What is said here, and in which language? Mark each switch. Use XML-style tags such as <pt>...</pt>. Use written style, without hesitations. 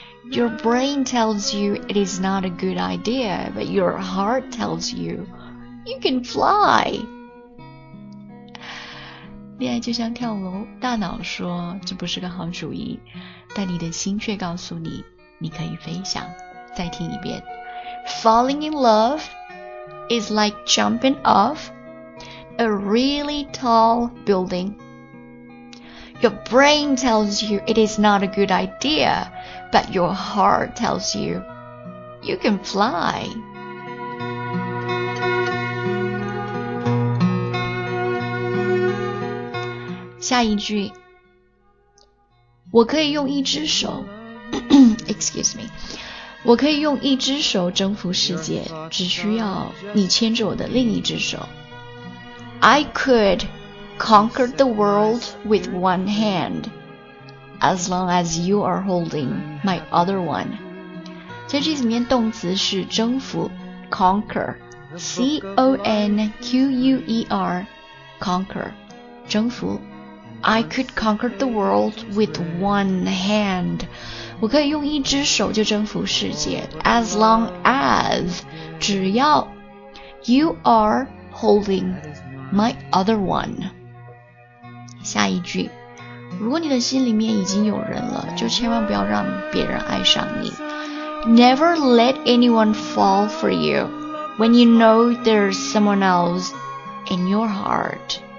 <en>Your brain tells you it is not a good idea, but your heart tells you you can fly.</en> <zh>恋爱就像跳楼，大脑说这不是个好主意，但你的心却告诉你你可以飞翔。再听一遍，</zh> <en>Falling in loveIs like jumping off a really tall building. Your brain tells you it is not a good idea, but your heart tells you you can fly.</en> <zh>下一句，我可以用一只手</zh> <en>excuse me.</en> <zh>我可以用一只手征服世界，只需要你牵着我的另一只手。</zh> <en>I could conquer the world with one hand as long as you are holding my other one.</en> <zh>在这里面动词是征服 conquer C-O-N-Q-U-E-R conquer 征服。</zh> <en>I could conquer the world with one hand，</en> <zh>我可以用一只手就征服世界。</zh> <en>As long as</en> <zh>只要</zh> <en>You are holding my other one。</en> <zh>下一句，如果你的心里面已经有人了，就千万不要让别人爱上你。</zh> <en>Never let anyone fall for you when you know there's someone else in your heart。</en>